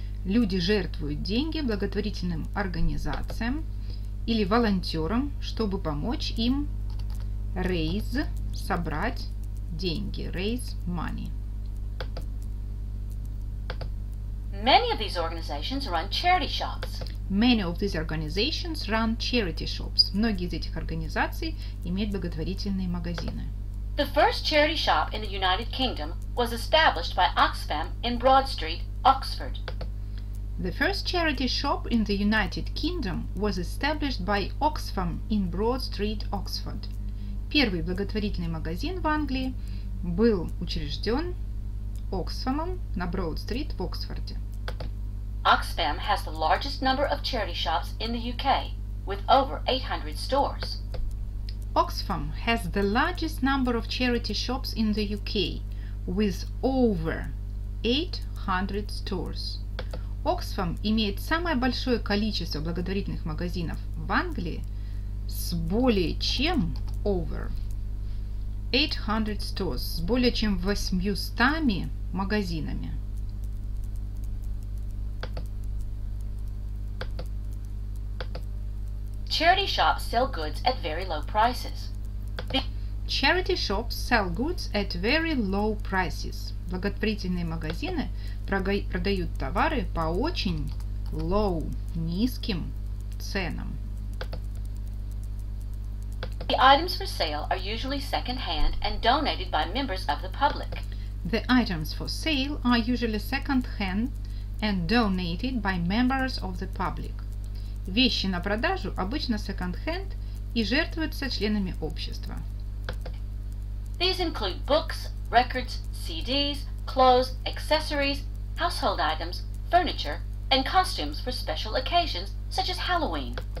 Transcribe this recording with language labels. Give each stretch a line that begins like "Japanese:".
Russian: Люди жертвуют деньги благотворительным организациям или волонтерам, чтобы помочь им raise, собрать деньги,
English: raise money. Many of these organizations run charity shops. Many of these organizations run charity shops.
Russian: Многие из этих организаций имеют благотворительные магазины.
English: The first charity shop in the United Kingdom was established by Oxfam in Broad Street, Oxford. The first charity shop in the United Kingdom was established by Oxfam in Broad Street, Oxford.
Russian: Первый благотворительный магазин в Англии был учрежден Оксфамом на Broad Street в Оксфорде.
English: Oxfam has the largest number of charity shops in the UK, with over 800 stores. Oxfam has the largest number of charity shops in the UK, with over 800 stores.
Russian: Oxfam имеет самое большое количество благотворительных магазинов в Англии с более чем
English: over 800 stores,
Russian: с более чем 800 магазинами.
English: Charity shops sell goods at very low prices. Charity shops sell goods at very low prices.
Russian: Благотворительные магазины продают товары по очень low, низким ценам.
English: The items for sale are usually second-hand and donated by members of the public. The items for sale are usually second-hand and donated by members of the public.
Russian: Вещи на продажу обычно секонд-хенд и жертвуются членами общества.
English: These include books, records, CDs, clothes, accessories, household items, furniture, and costumes for special occasions, such as Halloween.